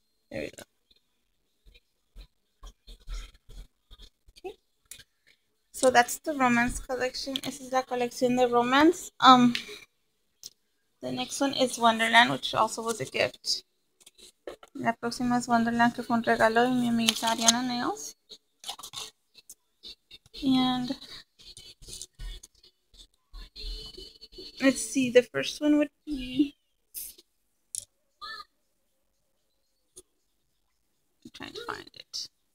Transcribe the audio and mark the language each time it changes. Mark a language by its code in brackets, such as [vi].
[en] There we go. Okay. So that's the romance collection. This is [es] la colección de romance. [en] The next one is Wonderland, which also was a gift. [es] La próxima es Wonderland, que fue un regalo de mi amiguita Ariana Nails. [en] And let's see, the first one would be I'm trying to find it.